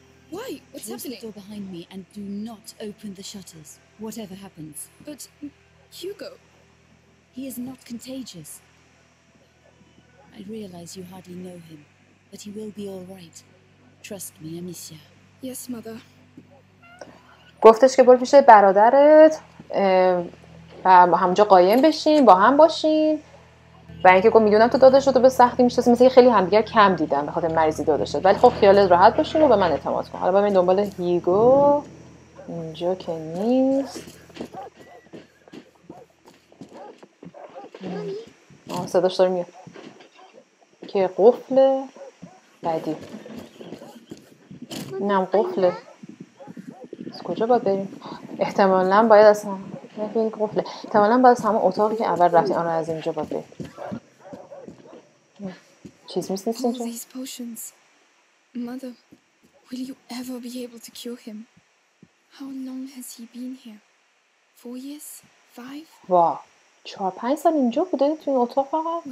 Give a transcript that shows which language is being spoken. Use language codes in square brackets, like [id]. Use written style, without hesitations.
[en] Why? What's close happening? The door behind me and do not open the shutters, whatever happens. But Hugo... He is not contagious. I realize you hardly know him, but he will be all right. Trust me, Amicia. Yes, mother. [fa] گفتش که برو پیش برادرت و همجا قایم بشین، با هم باشین. و اینکه که میدونم تو داداش رو به سختی میشناسی، مثل که خیلی همدیگر کم دیدن به خاطر مریضی داداش، ولی خب خیالت راحت باشین و به من اعتماد کن. حالا با من دنبال هیگو. اینجا که نیست. آه صداش داره میاد که قفل بعدی. اینم قفل. از کجا باید بریم؟ احتمالاً باید از همه این قفله احتمالاً باید از همه اتاقی که اول رفتی آن را از اینجا باید بریم. چیز میست نیست اینجا؟ [en] these potions. Mother, will you ever be able to cure him? How long has he been here? 4 years? 5? واه. [fa] 4-5 سال اینجا بوده توی این اتاق فقط؟